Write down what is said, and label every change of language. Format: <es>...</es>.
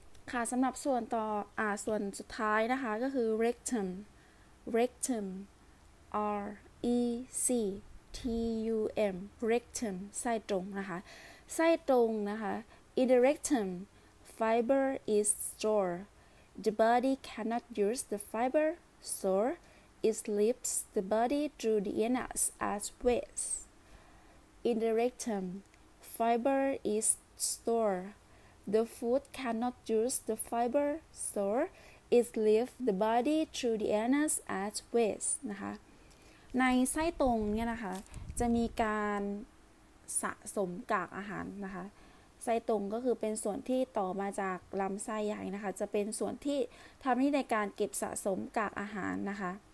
<th>ค่ะสำหรับส่วนต่อส่วนสุดท้ายนะคะก็คือ rectum R E C T U M rectum ไส้ตรงนะคะไส้ตรงนะคะ</th> <en>in the rectumFiber is stored. The body cannot use the fiber, so it slips the body through the anus as waste. In the rectum, fiber is stored. The food cannot use the fiber, so it slips the body through the anus as waste.</en> <th>นะคะในไส้ตรงเนี่ยนะคะจะมีการสะสมกากอาหารนะคะไส้ตรงก็คือเป็นส่วนที่ต่อมาจากลำไส้ใหญ่นะคะจะเป็นส่วนที่ทำหน้าที่ในการเก็บสะสมกากอาหารนะคะ</th>